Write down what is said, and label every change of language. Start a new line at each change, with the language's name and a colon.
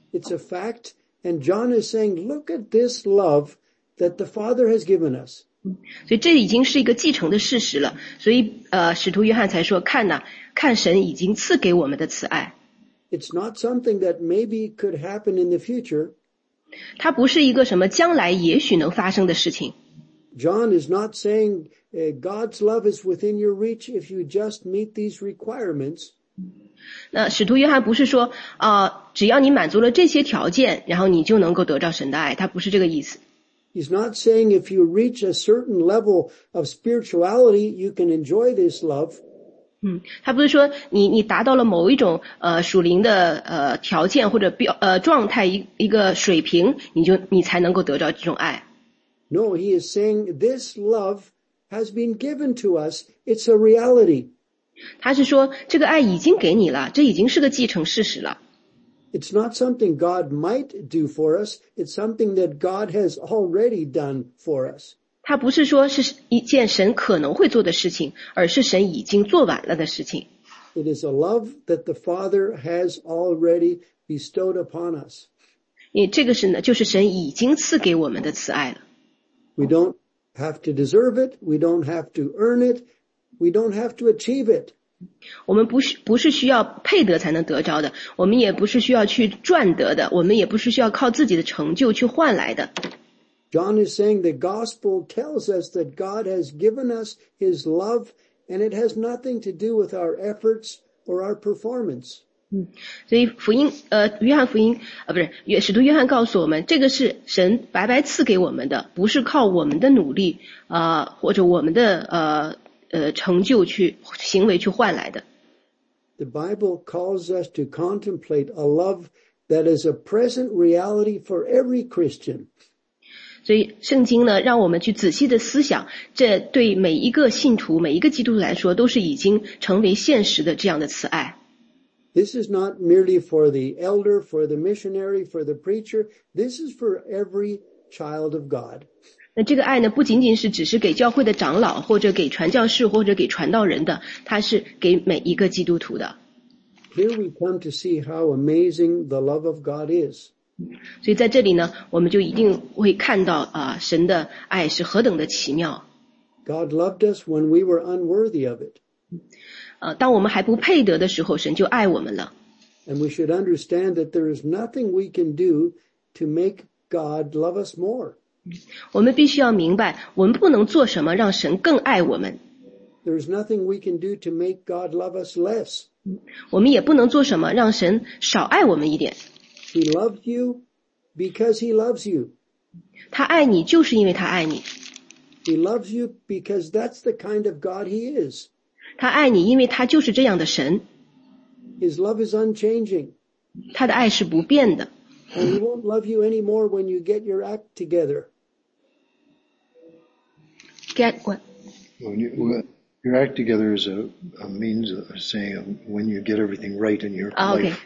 English: It's a fact, and John is saying, look at this love that the Father has given us.
Chinese: 所以这已经是一个既成的事实了，所以使徒约翰才说，看哪，看神已经赐给我们的慈爱。
English: It's not something that maybe could happen in the future.
Chinese: 它不是一个什么将来也许能发生的事情。
English: John is not saying God's love is within your reach if you just meet these requirements.
Chinese: 那使徒约翰不是说只要你满足了这些条件，然后你就能够得到神的爱，他不是这个意思。
English: He's not saying if you reach a certain level of spirituality, you can enjoy this love.
Chinese: 他不是说你达到了某一种属灵的条件或者状态一个水平，你才能够得到这种爱。
English: No, he is saying this love has been given to us. It's a reality.
Chinese: 他是说这个爱已经给你了，这已经是个既成事实了。
English: It's not something God might do for us. It's something that God has already done for us.
Chinese: 它不是说是一件神可能会做的事情，而是神已经做完了的事情。
English: It is a love that the Father has already bestowed upon us.
Chinese: 因为这个是呢，就是神已经赐给我们的慈爱了。
English: We don't have to deserve it. We don't have to earn it. We don't have to achieve it.
Chinese: 我们不是需要配得才能得着的，我们也不是需要去赚得的，我们也不是需要靠自己的成就去换来的。
English: John is saying the gospel tells us that God has given us his love and it has nothing to do with our efforts or our performance.
Chinese: 所以福音约翰福音不是使徒约翰告诉我们，这个是神白白赐给我们的，不是靠我们的努力或者我们的成就去行为去换来的。
English: The Bible calls us to contemplate a love that is a present reality for every Christian.
Chinese: 所以圣经呢，让我们去仔细的思想，这对每一个信徒、每一个基督徒来说，都是已经成为现实的这样的慈爱。
English: This is not merely for the elder, for the missionary, for the preacher. This is for every child of God.
Chinese: 那这个爱呢，不仅仅是只是给教会的长老，或者给传教士，或者给传道人的，它是给每一个基督徒的。
English: Here we come to see how amazing the love of God is.
Chinese: 所以在这里呢，我们就一定会看到神的爱是何等的奇妙。
English: God loved us when we were unworthy of it.
Chinese: 当我们还不配得的时候，神就爱我们了。
English: And we should understand that there is nothing we can do to make God love us more.
Chinese: 我们必须要明白，我们不能做什么让神更爱我们。
English: There is nothing we can do to make God love us less.
Chinese: 我们也不能做什么让神少爱我们一点。
English: He loves you because he loves you.
Chinese: 他爱你就是因为他爱你。
English: He loves you because that's the kind of God he is.
Chinese: 他爱你因为他就是这样的神。
English: His love is unchanging.
Chinese: 他的爱是不变的。
English: And he won't love you anymore when you get your act together. Get what? Your act together is a means of saying when you get everything right in your life.